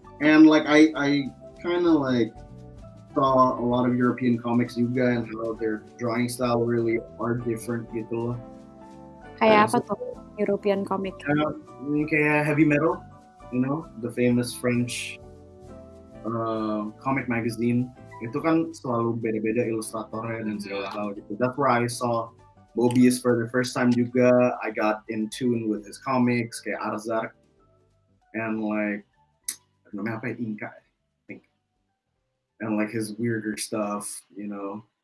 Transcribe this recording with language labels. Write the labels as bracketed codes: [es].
[en] And like, I kind of like, saw a lot of European comics juga and how their drawing style really are different gitu. [id] Kayak apa tuh European comic? [en] Kayak heavy metal, you know, the famous French comic magazine. [id] Itu kan selalu beda-beda ilustratornya dan segala hal gitu. [en] That's where I saw Mobius for the first time juga. I got in tune with his comics, kayak Arzark. and like I don't know, maybe Inka, I think, and like his weirder stuff, you know.